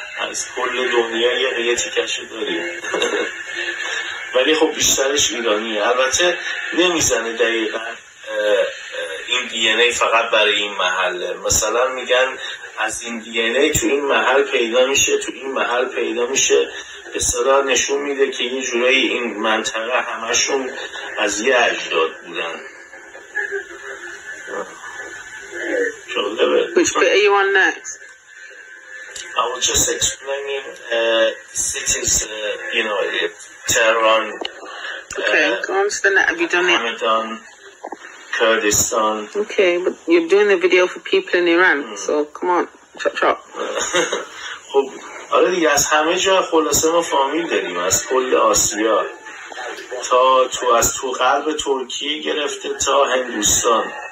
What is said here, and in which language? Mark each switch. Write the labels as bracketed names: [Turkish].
[Persian] از کل دنیا یه تیکش داریم ولی خب بیشترش ایرانیه البته نمیزنه دقیقا این دی ان ای فقط برای این محله مثلا میگن از این دی ان ای تو این محل پیدا میشه تو این محل پیدا میشه به صدا نشون میده که این جورایی این منطقه همشون از یه اجداد بودن [English] Which bit are you on next? I was just explaining cities, you know, Tehran. Okay, go on to the net. Have you done it? Hamadan, Kurdistan. Okay, but you're doing the video for people in Iran, so come on, chop chop. [Persian] خب حالا دیگه از همه جا خلاصه ما فامیل داریم از کل آسیا تا تو از تو غرب ترکیه گرفته تا هندوستان